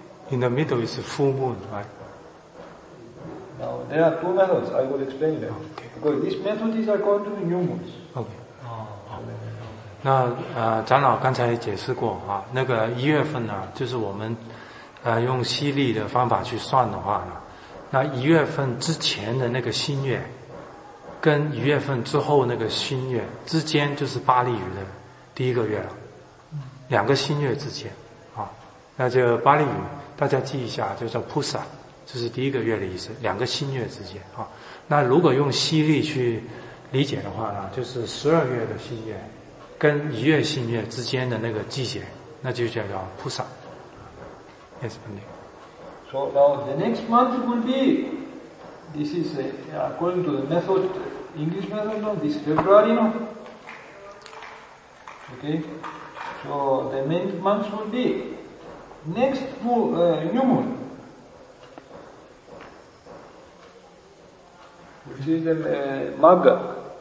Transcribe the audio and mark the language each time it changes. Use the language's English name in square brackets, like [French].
[English] In the middle is a full moon, right? Now there are two methods. I will explain them. Okay. Because this method is according to the new moons. Okay. [Chinese] 那长老刚才也解释过啊，那个一月份呢，就是我们用西历的方法去算的话呢，那一月份之前的那个新月，跟一月份之后那个新月之间，就是巴利语的第一个月了，两个新月之间啊，那就巴利语大家记一下，就叫 Pusa， 这是第一个月的意思，两个新月之间啊。那如果用西历去理解的话呢，就是十二月的新月。跟一月新月之间的那个季节，那就叫菩萨。 [English] Yes, Pandit. So now the next month will be, this is according to the method, English method, this February, no? Okay. So the main month will be next new moon, which is the Magga.